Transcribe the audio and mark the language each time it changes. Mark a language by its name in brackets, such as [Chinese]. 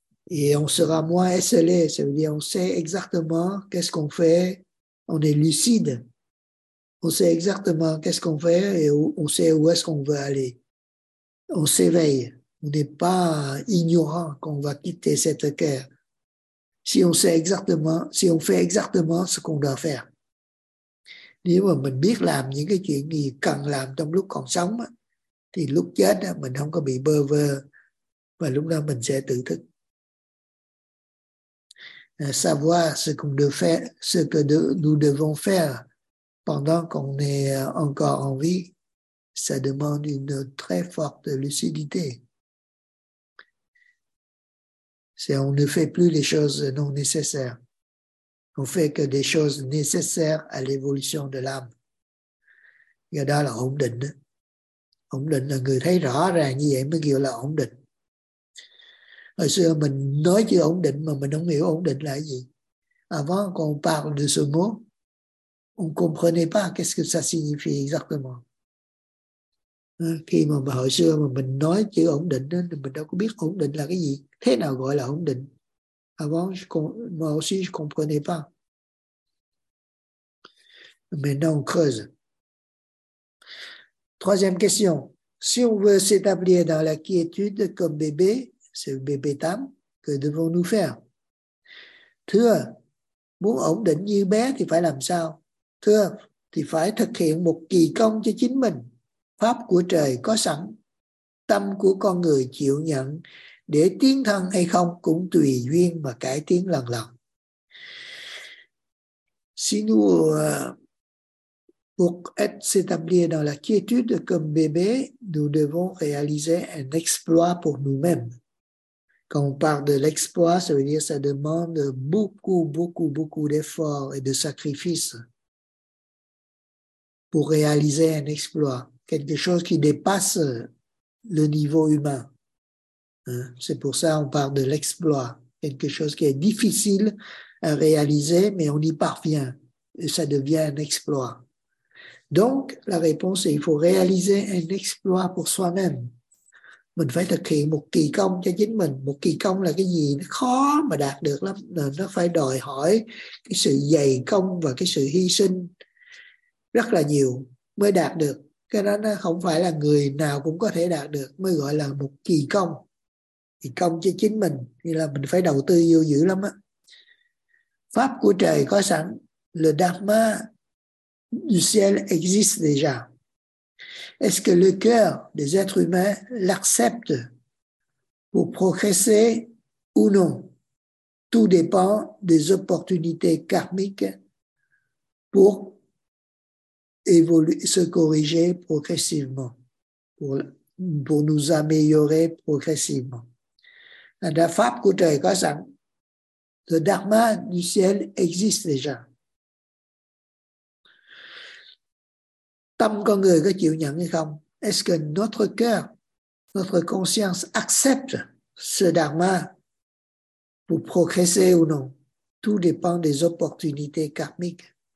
[French] Et on sera moins esselé. Ça veut dire on sait exactement qu'est-ce qu'on fait. On est lucide. On sait exactement qu'est-ce qu'on fait et on sait où est-ce qu'on veut aller. On s'éveille. On n'est pas ignorant qu'on va quitter cette terre. Si on sait exactement, si on fait exactement ce qu'on doit faire. [Vietnamese] Nếu mà mình biết làm những cái chuyện gì cần làm trong lúc còn sống thì lúc chết mình không có bị bơ vơ và lúc đó mình sẽ tự thức. [French] Savoir ce qu'on doit faire, ce que nous devons faire pendant qu'on est encore en vie, ça demande une très forte lucidité. C'est on ne fait plus les choses non nécessaires. On fait que des choses nécessaires à l'évolution de l'âme. [Vietnamese] Et đó là ổn định. Ổn định là người thấy rõ ràng như vậy mới gọi là ổn định. Hồi xưa mình nói chữ ổn định mà mình không hiểu ổn định là gì. [French] Avant qu'on parle de ce mot, on comprenait pas qu'est-ce que ça signifie exactement. [Vietnamese] Khi mà hồi xưa mà mình nói chữ ổn định thì mình đâu có biết ổn định là cái gì. Thế nào gọi là ổn định? [French] Avant, moi aussi, je comprenais pas. Maintenant, on creuse. Troisième question. Si on veut s'établir dans la quiétude comme bébé, c'est le bébé tam, que devons-nous faire? [Vietnamese] Thưa, muốn ổn định như bé thì phải làm sao? Thưa, thì phải thực hiện một kỳ công cho chính mình. Pháp của trời có sẵn, tâm của con người chịu nhận để tiến thân hay không cũng tùy duyên mà cải tiến lần lần. [French] Si nous pour être s'établir dans la quiétude comme bébé, nous devons réaliser un exploit pour nous-mêmes. Quand on parle de l'exploit, ça veut dire que ça demande beaucoup, beaucoup, beaucoup d'efforts et de sacrifices pour réaliser un exploit. Quelque chose qui dépasse le niveau humain. C'est pour ça qu'on parle de l'exploit. Quelque chose qui est difficile à réaliser, mais on y parvient. Et ça devient un exploit. Donc, la réponse est il faut réaliser un exploit pour soi-même. [Vietnamese] Mình phải thực hiện một kỳ công cho chính mình. Một kỳ công là cái gì? Nó khó mà đạt được lắm. Nó phải đòi hỏi cái sự dày công và cái sự hy sinh rất là nhiều mới đạt được. Cái đó nó không phải là người nào cũng có thể đạt được, mới gọi là một kỳ công. Kỳ công cho chính mình, như là mình phải đầu tư vô dữ lắm á. Pháp của trời có sẵn, [French] le dharma du ciel existe déjà. Est-ce que le cœur des êtres humains l'accepte pour progresser ou non? Tout dépend des opportunités karmiques pour évoluer, se corriger progressivement pour nous améliorer progressivement. La [Vietnamese] pháp của trời có sẵn. [French] Le dharma du ciel existe déjà. [Vietnamese] Tâm con người có chịu nhận hay không? [French] Est-ce que notre cœur, notre conscience accepte ce dharma pour progresser ou non? Tout dépend des opportunités karmiques.